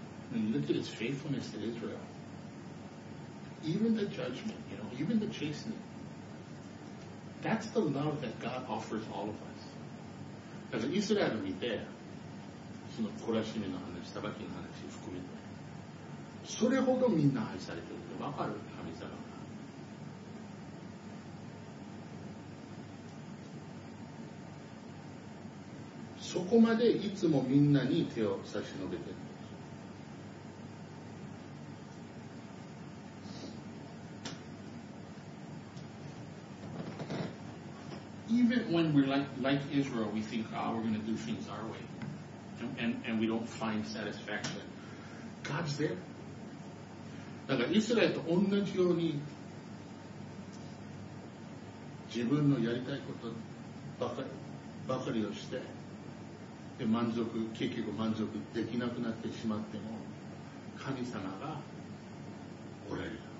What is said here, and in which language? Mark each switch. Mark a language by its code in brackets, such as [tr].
[en] When you look at His faithfulness to Israel. Even the judgment, you know, even the chastening. That's the love that God offers all of us. [ja] だからイスラエルにて、その懲らしめの話、裁きの話含めて、それほどみんな愛されてるって分かる、神様が。そこまでいつもみんなに手を差し伸べてる。 [en] Even when we're like Israel, we think, oh, we're going to do things our way. And we don't find satisfaction. God's there. [ja] だからイスラエルと同じように自分のやりたいことばかりをして、で満足、結局満足できなくなってしまっても、神様がおられる。